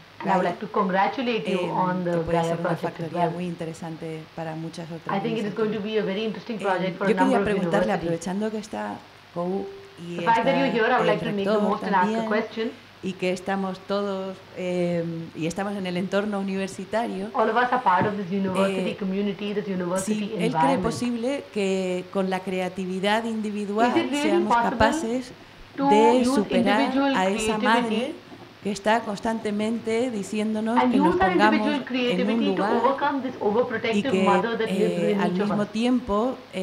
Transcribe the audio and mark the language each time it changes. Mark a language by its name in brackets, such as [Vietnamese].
[English] I would like to congratulate you on the Gaia project. [Spanish] Es muy interesante para muchas otras. [English] I think it is going to be a very interesting project for a number of universities. [Spanish] Yo quería preguntarle, aprovechando que está Cobu y [English] the fact that you're here, I would like to make the most and ask a question. [Spanish] Y que estamos todos y estamos en el entorno universitario. [English] All of us are part of this university community, this university environment. [Spanish] Si él cree posible que con la creatividad individual seamos capaces de superar a esa madre que está constantemente diciéndonos que nos pongamos en un lugar y que al mismo tiempo